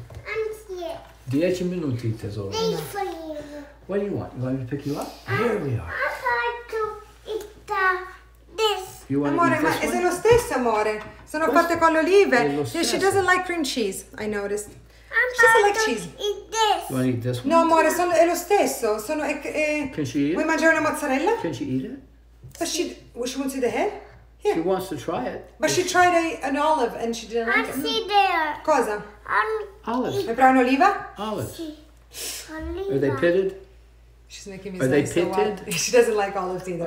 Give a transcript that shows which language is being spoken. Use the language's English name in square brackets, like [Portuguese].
[English] I'm scared. [Italian] 10 minuti, tesoro. [English] Thanks for you. What do you want? You want me to pick you up? Here we are. I'd like to eat this. You want [Italian] amore, [English] to eat this [Italian] ma è lo stesso, amore. Sono fatte con le olive. [English] Yeah, she doesn't like cream cheese, I noticed. She doesn't like cheese. Eat this. You want to eat this one? [Italian] No, amore, sono, è lo stesso. Sono, [English] can she eat it? [Italian] Vuoi mangiare una mozzarella? [English] Can she eat it? But she wants to eat the head? Yeah. She wants to try it. But she tried an olive and she didn't like it. I see there. [Italian] Cosa? [English] Olives. [Italian] Le [English] brown [Italian] olive? [English] Olives. Olive. Are they pitted? She's making me Are they pitted? So she doesn't like olives either.